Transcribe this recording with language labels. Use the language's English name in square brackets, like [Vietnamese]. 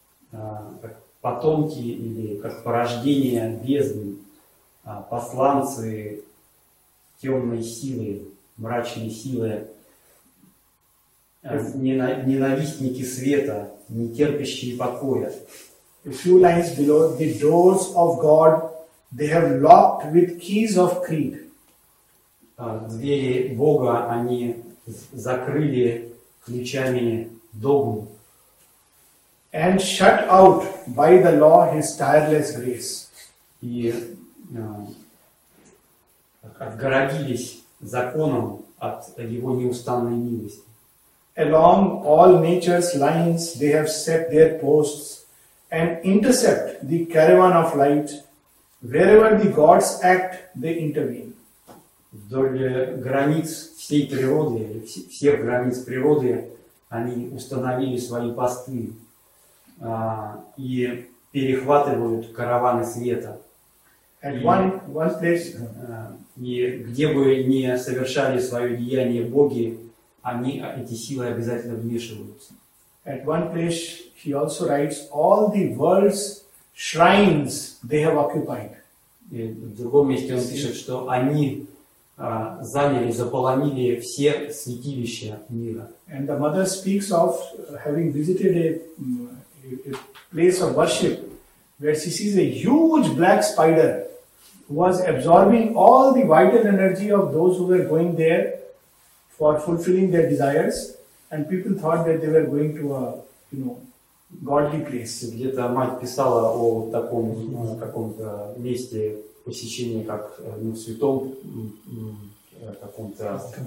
[Russian] Как потомки или как порождение бездны, посланцы темной силы, мрачной силы, ненавистники света, не терпящие покоя. [English] A few lines below, the doors of God they have locked with keys of Crete. [Russian] Двери Бога они закрыли ключами догм. [English] And shut out by the law his tireless grace. [Russian] И отгородились законом от его неустанной милости. [English] Along all nature's lines they have set their posts and intercept the caravan of light. Wherever the gods act, they intervene. [Russian] Вдоль границ всей природы, всех границ природы, они установили свои посты и перехватывают караваны света. [English] At one place. [Russian] И где бы ни совершали свое деяние боги, они эти силы обязательно вмешиваются. [English] At one place he also writes, all the world's shrines they have occupied. [Russian] И в другом месте он пишет, что они заняли, заполонили все святилища мира. [English] And the mother speaks of having visited a place of worship where she sees a huge black spider was absorbing all the vital energy of those who were going there for fulfilling their desires, and people thought that they were going to a, you know, godly place. [Russian] Где-то мать писала о таком каком-то месте посещения как святом каком-то.